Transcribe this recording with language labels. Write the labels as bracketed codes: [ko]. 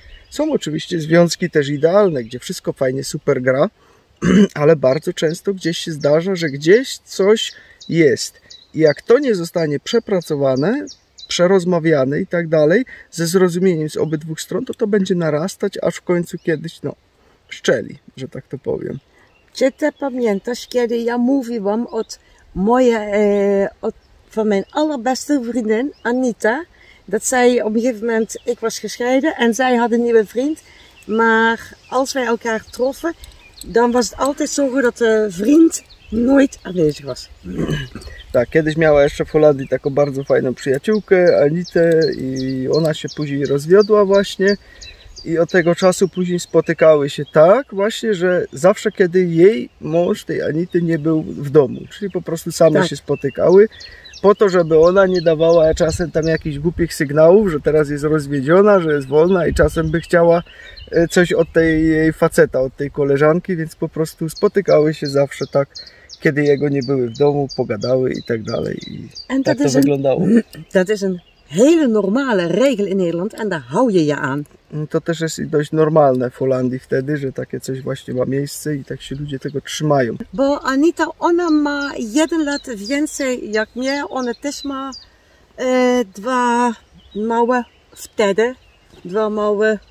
[pl] Są oczywiście związki też idealne, gdzie wszystko fajnie, super gra, ale bardzo często gdzieś się zdarza, że gdzieś coś jest. I jak to nie zostanie przepracowane, przerozmawiane i tak dalej, ze zrozumieniem z obydwu stron, to to będzie narastać, aż w końcu kiedyś, no, szczeli, że tak to powiem. Czy ty pamiętasz, kiedy ja mówiłam [nl] van mijn allerbeste vriendin, Anita, dat zij op een gegeven moment, ik was gescheiden en zij had een nieuwe vriend. Maar als wij elkaar troffen, dan was het altijd zo goed dat de vriend nooit aanwezig was. [pl] Tak, kiedyś miała jeszcze w Holandii taką bardzo fajną przyjaciółkę, Anitę, i ona się później rozwiodła właśnie. I od tego czasu później spotykały się tak właśnie, że zawsze kiedy jej mąż, tej Anity, nie był w domu. Czyli po prostu same tak. Się spotykały. Po to, żeby ona nie dawała czasem tam jakichś głupich sygnałów, że teraz jest rozwiedziona, że jest wolna i czasem by chciała coś od tej faceta, od tej koleżanki, więc po prostu spotykały się zawsze tak, kiedy jego nie były w domu, pogadały i tak dalej. I tak to wyglądało. [nl] Dat is een hele normale regel in Nederland en daar hou je je aan. [pl] To też jest dość normalne w Holandii wtedy, że takie coś właśnie ma miejsce i tak się ludzie tego trzymają. Bo Anita, ona ma 1 lat więcej jak mnie, ona też ma 2 małe wtedy, Dwa małe.